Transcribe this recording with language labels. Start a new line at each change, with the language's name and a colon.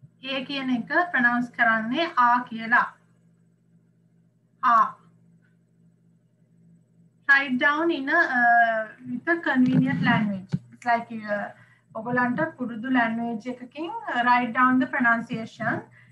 Sinhala: A කියන එක pronounce කරන්නේ A කියලා. A.
English: Write down in a with a convenient language. It's like
Sinhala: ඔබලන්ට පුරුදු
English: language
Sinhala: එකකින්
English: write down the pronunciation.